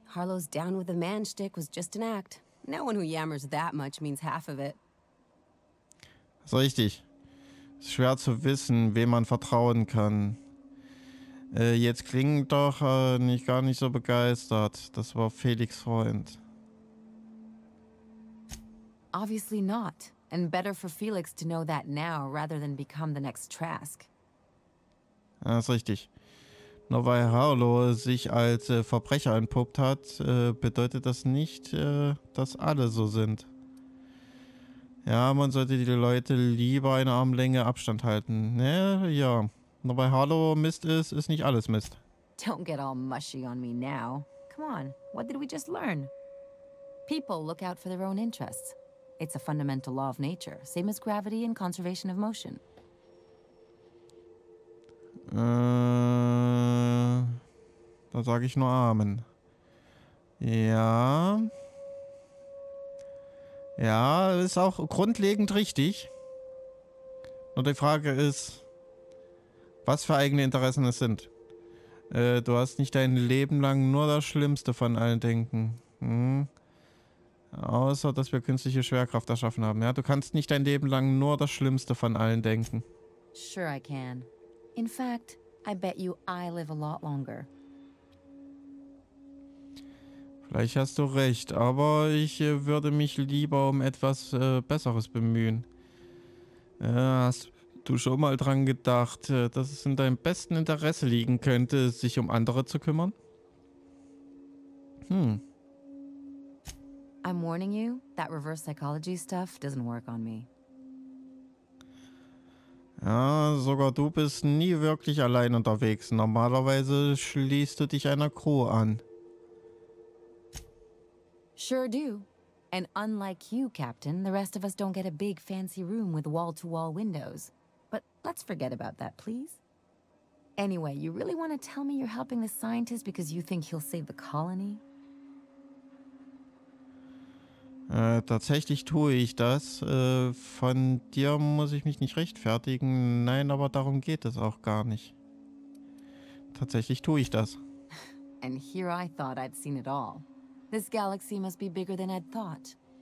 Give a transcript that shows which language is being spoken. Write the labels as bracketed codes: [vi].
[en] Harlow's down with the man stick was just an act. No one who yammers that much means half of it. [de] Das ist richtig. Ist schwer zu wissen, wem man vertrauen kann. Jetzt klingt doch nicht gar nicht so begeistert. Das war Felix' Freund. [en] Obviously not. And better for Felix to know that now rather than become the next Trask. [de] Das ist richtig. Nur weil Harlow sich als Verbrecher entpuppt hat, bedeutet das nicht, dass alle so sind. Ja, man sollte die Leute lieber eine Armlänge Abstand halten. Ne, ja. Nur weil Harlow Mist ist, ist nicht alles Mist. [en] Don't get all mushy on me now. Come on, what did we just learn? People look out for their own interests. It's a fundamental law of nature, same as gravity and conservation of motion. [de] Da sage ich nur Amen. Ja. Ja, ist auch grundlegend richtig. Nur die Frage ist, was für eigene Interessen es sind. Du hast nicht dein Leben lang nur das Schlimmste von allen denken. Hm? Außer, dass wir künstliche Schwerkraft erschaffen haben. Ja, du kannst nicht dein Leben lang nur das Schlimmste von allen denken. [en] Sure I can. In fact, I bet you I live a lot longer. [de] Vielleicht hast du recht, aber ich würde mich lieber um etwas Besseres bemühen. Hast du schon mal dran gedacht, dass es in deinem besten Interesse liegen könnte, sich um andere zu kümmern? Hm. [en] I'm warning you, that reverse psychology stuff doesn't work on me. [de] Ja, sogar du bist nie wirklich allein unterwegs. Normalerweise schließt du dich einer Crew an. [en] Sure do. And unlike you, Captain, the rest of us don't get a big fancy room with wall-to-wall windows. But let's forget about that, please. Anyway, you really want to tell me you're helping the scientist because you think he'll save the colony? [de] Tatsächlich tue ich das. Von dir muss ich mich nicht rechtfertigen. Nein, aber darum geht es auch gar nicht. Tatsächlich tue ich das. [en] And here I thought I'd seen it all. This galaxy must be bigger than I'd thought.